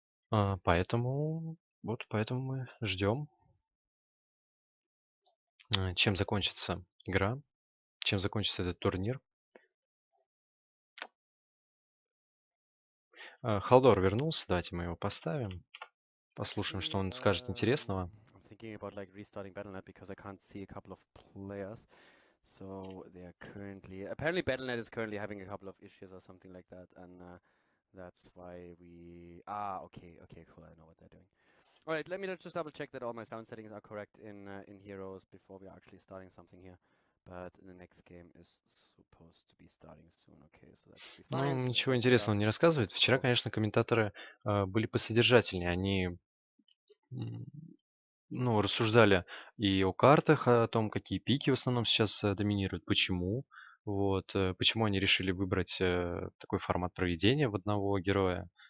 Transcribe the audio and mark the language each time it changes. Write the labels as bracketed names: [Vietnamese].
[Russian] Поэтому... вот поэтому мы ждем, чем закончится игра, чем закончится этот турнир. Халдор вернулся, давайте мы его поставим. Послушаем, что он скажет интересного. [English] I'm thinking about like restarting Battle.net because I can't see a couple of players. So they are currently... apparently Battle.net is currently having a couple of issues or something like that. And that's why we... ah, okay, okay, cool, I know what they're doing. Alright, let me just double check that all my sound settings are correct in Heroes before we are actually starting something here. But the next game is supposed to be starting soon, okay, so that should be fine. [Russian] Ну, ничего интересного не рассказывает. Вчера, конечно, комментаторы были посодержательнее. Они, ну, рассуждали и о картах, о том, какие пики в основном сейчас доминируют, почему. Вот, почему они решили выбрать такой формат проведения в одного героя.